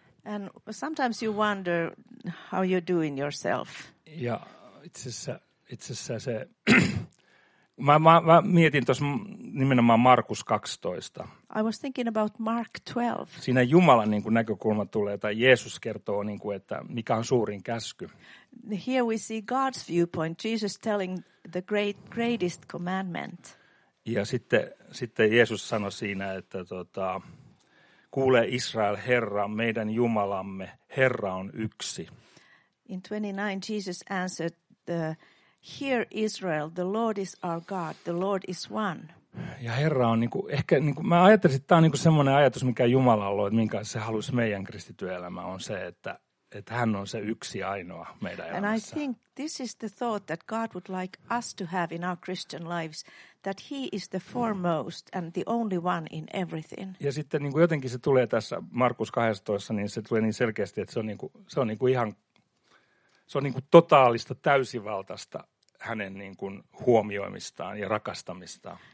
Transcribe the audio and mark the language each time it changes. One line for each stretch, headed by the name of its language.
English: And sometimes you wonder how you're doing yourself.
Finnish: Ja itse asiassa se, mä mietin tuossa nimenomaan Markus 12.
English: I was thinking about Mark 12.
Finnish: Siinä Jumalan niin kuin näkökulma tulee, tai Jeesus kertoo, niin kuin, että mikä on suurin käsky.
English: Here we see God's viewpoint, Jesus telling the greatest commandment.
Finnish: Ja sitten Jeesus sanoi siinä, että kuule Israel, Herra, meidän Jumalamme, Herra on yksi.
English: In 29 Jesus answered the Hear Israel, the Lord is our God, the Lord is one.
Finnish: Ja Herra on niinku ehkä niinku mä ajattelin, että tämä on niinku semmoinen ajatus, mikä Jumalalla on, että minkä se haluaisi meidän kristityelämä on se, että hän on se yksi ainoa meidän elämässä.
English: And I think this is the thought that God would like us to have in our Christian lives, that he is the foremost and the only one in everything.
Finnish: Ja sitten niinku jotenkin se tulee tässä Markus 12, niin se tulee niin selkeästi, että se on niinku ihan se on niin kuin totaalista, täysivaltaista hänen niin kuin huomioimistaan ja rakastamistaan.